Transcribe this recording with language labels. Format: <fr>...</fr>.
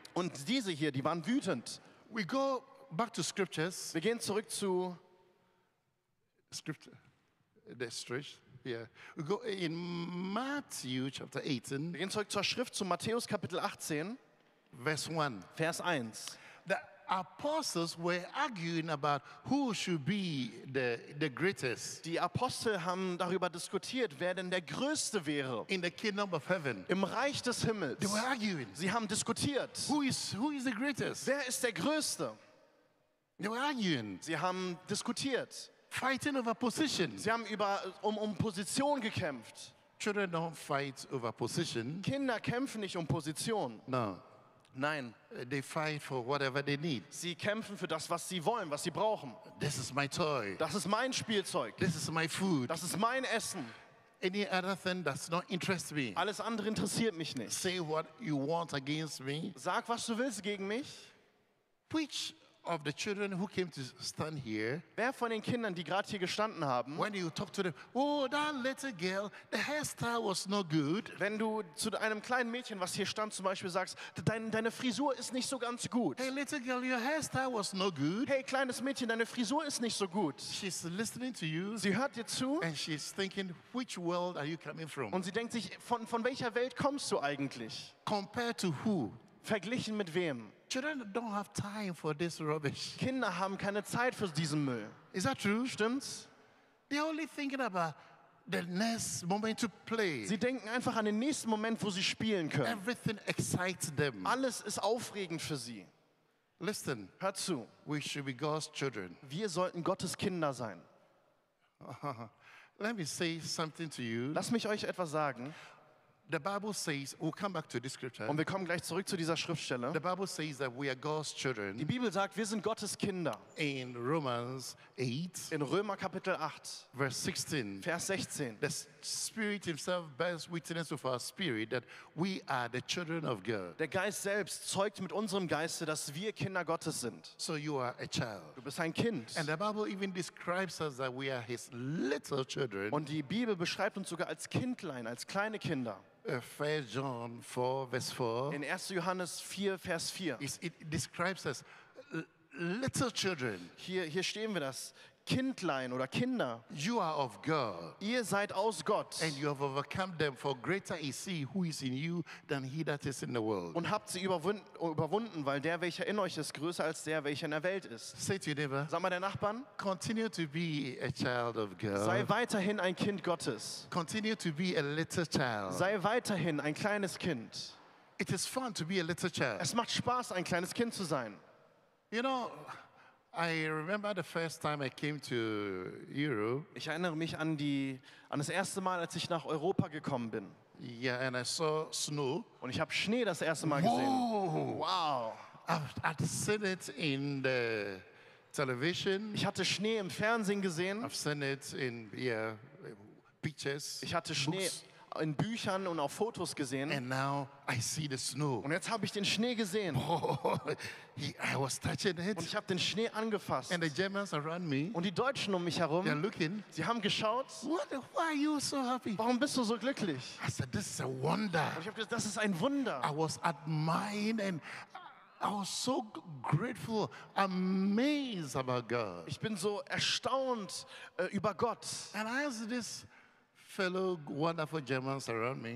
<de>Und diese hier, die waren wütend.</de> <en>We go back to scriptures.</en> <de>Wir gehen zurück zu</de> <en>Scripture. The stretch. Yeah. We go in Matthew chapter 18.</en> <de>Wir gehen zurück zur Schrift zu Matthäus Kapitel 18.</de> <en>Verse 1.</en> <de>Vers 1.</de> <en>Apostles were arguing about who should be the greatest.</en> <de>Die Apostel haben darüber diskutiert, wer denn der Größte wäre.</de> <en>In the kingdom of heaven.</en> <de>Im Reich des Himmels.</de> <en>They were arguing.</en> <de>Sie haben diskutiert.</de> <en>Who is the greatest?</en> <de>Wer ist der Größte?</de> <en>They were arguing.</en> <de>Sie haben diskutiert.</de> <en>Fighting over position.</en> <de>Sie haben um Position gekämpft.</de> <en>Children don't fight over position.</en> <de>Kinder kämpfen nicht um Position.</de> <en>No.</en> <de>Nein.</de> <en>They fight for whatever they need.</en> <de>Sie kämpfen für das, was sie wollen, was sie brauchen.</de> <en>This is my toy.</en> <de>Das ist mein Spielzeug.</de> <en>This is my food.</en> <de>Das ist mein Essen.</de> <en>Any other thing does not interest me.</en> <de>Alles andere interessiert mich nicht.</de> <en>Say what you want against me.</en> <de>Sag, was du willst gegen mich.</de> <en>Which of the children who came to stand here?</en> <de>Wer von den Kindern, die gerade hier gestanden haben?</de> <en>When you talk to them, oh, that little girl, the hairstyle was no good.</en> <de>Wenn du zu einem kleinen Mädchen, was hier stand, zum Beispiel sagst, deine Frisur ist nicht so ganz gut.</de> <en>Hey, little girl, your hairstyle was no good.</en> <de>Hey, kleines Mädchen, deine Frisur ist nicht so gut.</de> <en>She's listening to you.</en> <de>Sie hört dir zu.</de> <en>And she's thinking, which world are you coming from?</en> <de>Und sie denkt sich, von welcher Welt kommst du eigentlich?</de> <en>Compared to who?</en> <de>Verglichen mit wem?</de> <en>Children don't have time for this rubbish.</en> <de>Kinder haben keine Zeit für diesen Müll.</de> <en>Is that true?</en> <de>Stimmt's?</de> <en>They're only thinking about the next moment to play.</en> <de>Sie denken einfach an den nächsten Moment, wo sie spielen können.</de> <en>Everything excites them.</en> <de>Alles ist aufregend für sie.</de> <en>Listen.</en> <de>Hör zu.</de> <en>We should be God's children.</en> <de>Wir sollten Gottes Kinder sein.</de> <en>Let me say something to you.</en> <de>Lass mich euch etwas sagen.</de> <en>The Bible says, we'll come back to this scripture.</en> <de>Und wir kommen gleich zurück zu dieser Schriftstelle.</de> <en>The Bible says that we are God's children.</en> <de>Die Bibel sagt, wir sind Gottes Kinder.</de> <en>In Romans 8,</en> <de>in Römer Kapitel 8, Vers 16.</de> <en>The Spirit himself bears witness with our spirit that we are the children of God.</en> <de>Der Geist selbst zeugt mit unserem Geiste, dass wir Kinder Gottes sind.</de> <en>So you are a child.</en> <de>Du bist ein Kind.</de> <en>And the Bible even describes us that we are his little children.</en> <de>Und die Bibel beschreibt uns sogar als Kindlein, als kleine Kinder.</de> <en>1 John 4, verse 4.</en> <de>In 1. Johannes 4, Vers 4.</de> <en>It describes us little children.</en> <de>Hier stehen wir das. Kindlein oder Kinder.</de> <en>You are of God.</en> <de>Ihr seid aus Gott.</de> <en>And you have overcome them, for greater is he who is in you than he that is in the world.</en> <de>Und habt sie überwunden, weil der, welcher in euch ist, größer als der, welcher in der Welt ist.</de> <en>Say to your neighbor.</en> <de>Sag mal der Nachbarn.</de> <en>Continue to be a child of God.</en> <de>Sei weiterhin ein Kind Gottes.</de> <en>Continue to be a little child.</en> <de>Sei weiterhin ein kleines Kind.</de> <en>It is fun to be a little child.</en> <de>Es macht Spaß, ein kleines Kind zu sein.</de> <en>You know, I remember the first time I came to Europe.</en> <de>Ich erinnere mich an das erste Mal, als ich nach Europa gekommen bin.</de> <en>Yeah, and I saw snow.</en> <de>Und ich habe Schnee das erste Mal gesehen.</de> <en>Wow! I'd seen it in the television.</en> <de>Ich hatte Schnee im Fernsehen gesehen.</de> <en>I've seen it in pictures.</en> <de>Ich hatte Schnee books. In Büchern und auf Fotos gesehen.</de> <en>And now I see the snow.</en> <de>Und jetzt habe ich den Schnee gesehen.</de> <en>I was touching it.</en> <de>Und ich habe den Schnee angefasst.</de> <en>And the Germans around me.</en> <de>Und die Deutschen um mich herum.</de> <en>They're looking.</en> <de>Sie haben geschaut.</de> <en>What? Why are you so happy?</en> <de>Warum bist du so glücklich?</de> <en>I said, this is a wonder.</en> <de>Und ich habe gesagt, das ist ein Wunder.</de> <en>I was admiring and I was so grateful, amazed about God.</en> <de>Ich bin so erstaunt über Gott.</de> <en>And I asked this fellow wonderful Germans around me.</en>